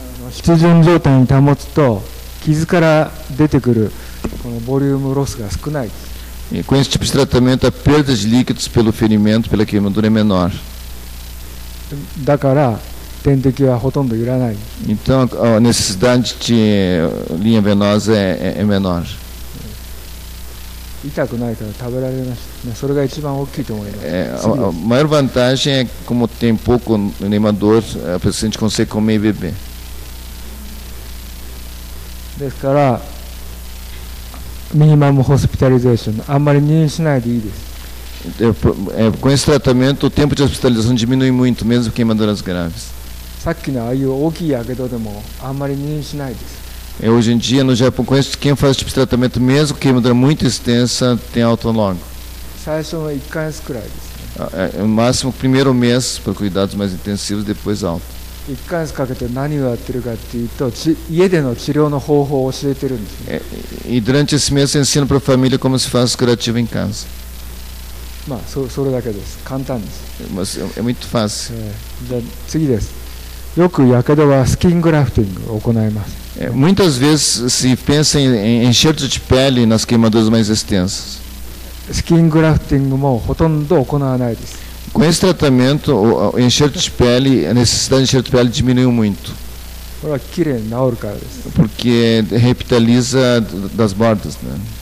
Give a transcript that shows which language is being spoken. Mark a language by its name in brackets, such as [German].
[Japanese] 湿潤状態に保つと傷から出てくるこのボリュームロスが少ないです。 [Portuguese] Com esse tipo de tratamento, a perda de líquidos pelo ferimento, pela queimadura é menor. [Japanese] だから点滴はほとんどいらない。 [Portuguese] Então, a necessidade de linha venosa é menor. [Japanese] 痛くないから食べられます。それが一番大きいと思います。 [Portuguese] A maior vantagem é como tem pouco nenhuma dor, a paciente consegue comer e beber. [Japanese] ですから、ミニマムホスピタリゼーション、あんまり入院しないでいいです。 [Portuguese] Com esse tratamento, o tempo de hospitalização diminui muito, mesmo queimaduras graves. [Japanese] さっきのああいう大きい火傷でもあんまり入院しないです。 [Portuguese] Hoje em dia, no Japão, com esse quem faz tipo tratamento, mesmo que queimadura muito extensa, tem alta longa. [Japanese] 最初の1ヶ月くらいですね。 [Portuguese] Máximo, primeiro mês, para cuidados mais intensivos, depois alta. [Japanese] 1ヶ月かけて何をやってるかっていうと、家での治療の方法を教えてるんですね。 [Portuguese] E durante esse mês, ensino para a família como se faz curativo em casa. [Japanese] まあ、それだけです。簡単です。 [Portuguese] Mas, é muito fácil. [Japanese] じゃあ、次です。よく火傷はスキングラフティングを行います。 [Portuguese] Muitas vezes se pensa em enxerto de pele nas queimaduras mais extensas. [Japanese] スキングラフティングもほとんど行わないです。 [Portuguese] Com esse tratamento, o enxerto de pele, a necessidade de enxerto de pele diminuiu muito. [Japanese] これはきれいに治るからです。 [Portuguese] Porque revitaliza das bordas, né?